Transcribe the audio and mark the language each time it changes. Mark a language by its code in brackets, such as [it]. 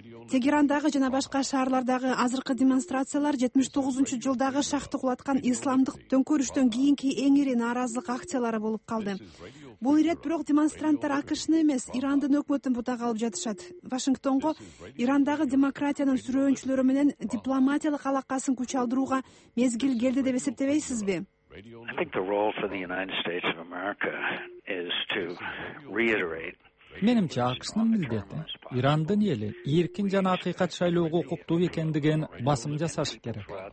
[ky] Тегерандагы жана башка шаарлардагы азыркы демонстрациялар 79-жылдагы шахты кулаткан исламдык төңкөрүштөн кийинки эң ири нааразылык акциялары болуп калды. Бул ирет бирок демонстранттар АКШны эмес, Ирандын өкмөтүн бутага алып жатышат. Вашингтонго Ирандагы демократиянын сүрөөнчүлөрү менен дипломатиялык алакасын күч алдырууга мезгил келди деп эсептебейсизби? [en] I think the role for the United States of America is to reiterate. [ky] Менимче, АКШнын милдети Ирандын эли эркин жана акыйкат шайлоого укуктуу экендигин басым жасаш керек.